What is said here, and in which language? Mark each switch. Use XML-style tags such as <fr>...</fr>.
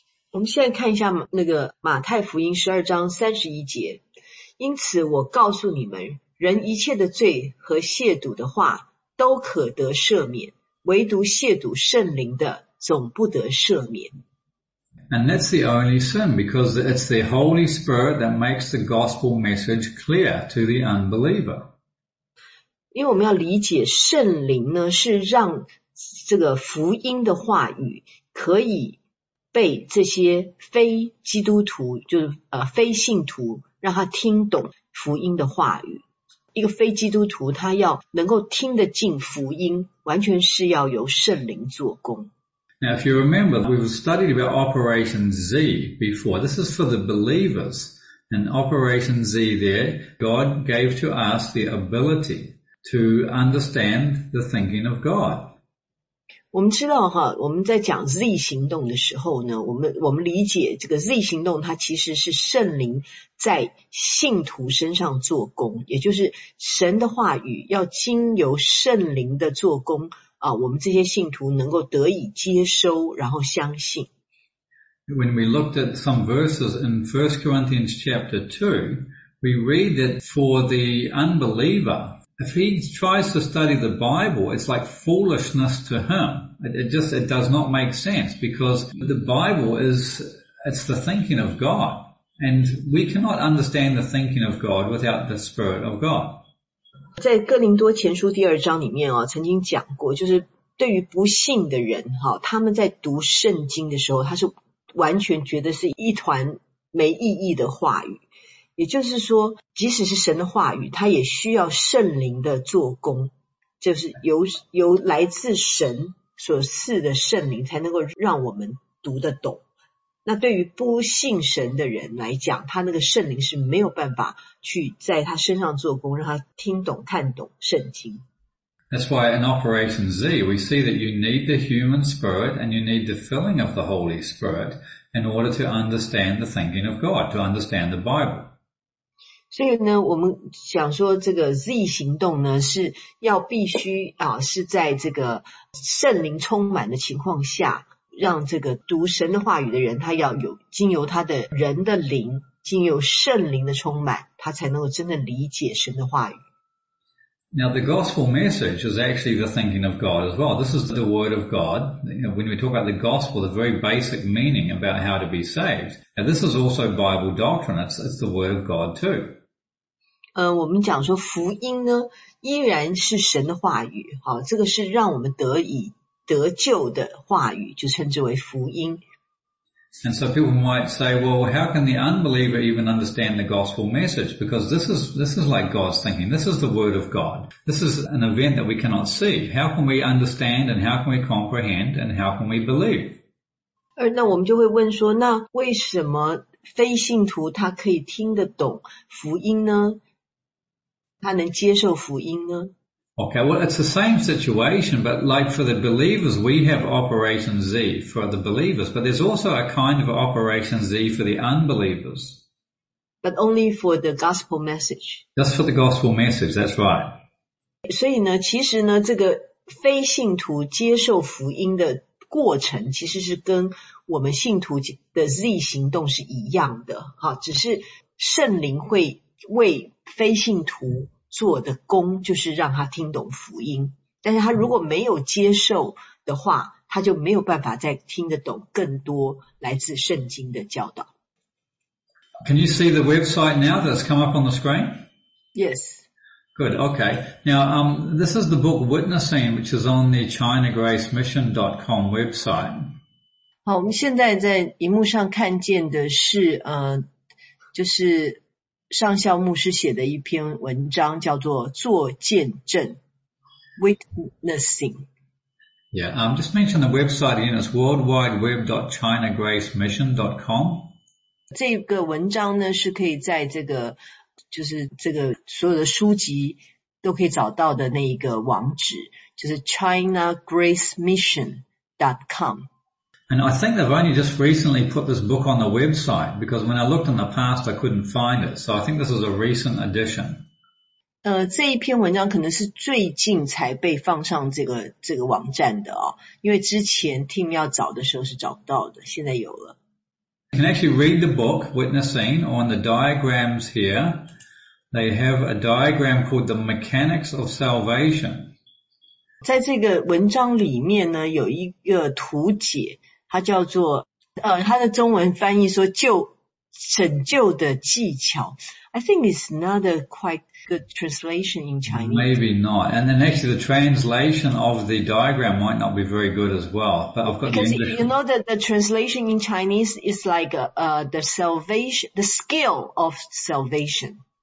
<zh>我们现在看一下那个马太福音12章31节，因此我告诉你们，人一切的罪和亵渎的话都可得赦免，唯独亵渎圣灵的总不得赦免。</zh> <en>And that's the only sin because it's the Holy Spirit that makes the gospel message clear to the unbeliever.</en> <zh>因为我们要理解圣灵呢，是让这个福音的话语可以被这些非基督徒，就是非信徒，让他听懂福音的话语。一个非基督徒，他要能够听得进福音，完全是要由圣灵做工。</zh> <en>Now, if you remember, we've studied about Operation Z before. This is for the believers. And Operation Z there, God gave to us the ability to understand the thinking of God.</en> <zh>我们知道哈，我们在讲 Z 行动的时候呢，我们理解这个 Z 行动，它其实是圣灵在信徒身上做工，也就是神的话语要经由圣灵的做工啊，我们这些信徒能够得以接收，然后相信。</zh> <en>When we looked at some verses in 1 Corinthians chapter 2, we read that for the unbeliever,If he tries to study the Bible, it's like foolishness to him. It does not make sense because the Bible it's the thinking of God. And we cannot understand the thinking of God without the Spirit of God.</en> <zh>在哥林多前书第二章里面曾经讲过，就是对于不信的人他们在读圣经的时候，他是完全觉得是一团没意义的话语。也就是说，即使是神的话语，它也需要圣灵的做工，就是由来自神所赐的圣灵才能够让我们读得懂。那对于不信神的人来讲，他那个圣灵是没有办法去在他身上做工，让他听懂、看懂圣经。</zh> <en>That's why in Operation Z, we see that you need the human spirit and you need the filling of the Holy Spirit in order to understand the thinking of God, to understand the Bible.</en> <zh>所以呢，我们想说这个 Z 行动呢，是要必须是在这个圣灵充满的情况下，让这个读神的话语的人，他要有经由他的人的灵，经由圣灵的充满，他才能够真的理解神的话语。</zh> <en>Now the gospel message is actually the thinking of God as well. This is the word of God. You know, when we talk about the gospel, the very basic meaning about how to be saved. Now this is also Bible doctrine. It's the word of God too.</en> <zh>我们讲说福音呢依然是神的话语、哦、这个是让我们得以得救的话语就称之为福音。</zh> <en>And so people might say, well, how can the unbeliever even understand the gospel message? Because this is like God's thinking. This is the word of God. This is an event that we cannot see. How can we understand and how can we comprehend and how can we believe?</en> <zh>而那我们就会问说那为什么非信徒他可以听得懂福音呢他能接受福音呢</zh> <en>Okay, well, it's the same situation, but like for the believers, we have Operation Z for the believers, but there's also a kind of Operation Z for the unbelievers. But only for the gospel message. Just for the gospel message, that's right.</en> <zh>所以呢其实呢这个非信徒接受福音的过程其实是跟我们信徒的 Z 行动是一样的好只是圣灵会为非信徒做的功就是让他听懂福音但是他如果没有接受的话他就没有办法再听得懂更多来自圣经的教导</zh> <en>Can you see the website now that's come up on the screen? Yes Good, okay Now, this is the book Witnessing which is on the ChinaGraceMission.com website</en> <zh>好我们现在在荧幕上看见的是就是上校牧师写的一篇文章叫做做见证 Witnessing</zh> <en>Yeah, just mention the website again It's worldwideweb.chinagracemission.com</en> <zh>这个文章呢是可以在这个就是这个所有的书籍都可以找到的那一个网址就是 chinagracemission.com</zh> <en>And I think they've only just recently put this book on the website because when I looked in the past, I couldn't find it. So I think this is a recent addition.</en> <zh>这一篇文章可能是最近才被放上这个网站的哦，因为之前 Tim 要找的时候是找不到的，现在有了。</zh> <en>You can actually read the book, Witnessing, on the diagrams here. They have a diagram called the Mechanics of Salvation.</en> <zh>在这个文章里面呢，有一个图解。它叫做它的中文翻译说救拯救的技巧</zh> <en>I think it's not a quite good translation in Chinese Maybe not And then actually the translation of the diagram might not be very good as well But I've got Because the English you know that the translation in Chinese is like the salvation The skill of salvation</en>